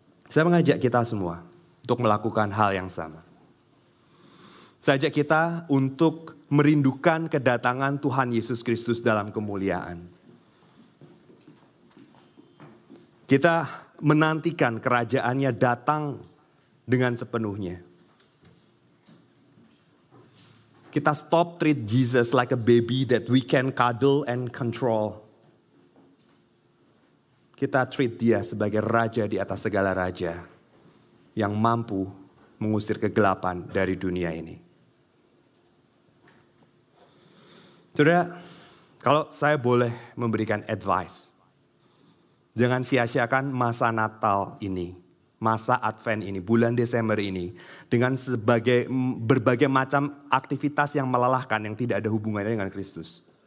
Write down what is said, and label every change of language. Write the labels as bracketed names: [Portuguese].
[Indonesian] Saya mengajak kita semua untuk melakukan hal yang sama. Saya ajak kita untuk merindukan kedatangan Tuhan Yesus Kristus dalam kemuliaan. Kita menantikan kerajaannya datang dengan sepenuhnya. [English] Kita stop treat Jesus like a baby that we can cuddle and control. [Indonesian] Kita treat dia sebagai raja di atas segala raja yang mampu mengusir kegelapan dari dunia ini. Saudara, kalau saya boleh memberikan advice, jangan sia-siakan masa Natal ini, masa Advent ini, bulan Desember ini, dengan berbagai macam aktivitas yang melelahkan, yang tidak ada hubungannya dengan Kristus.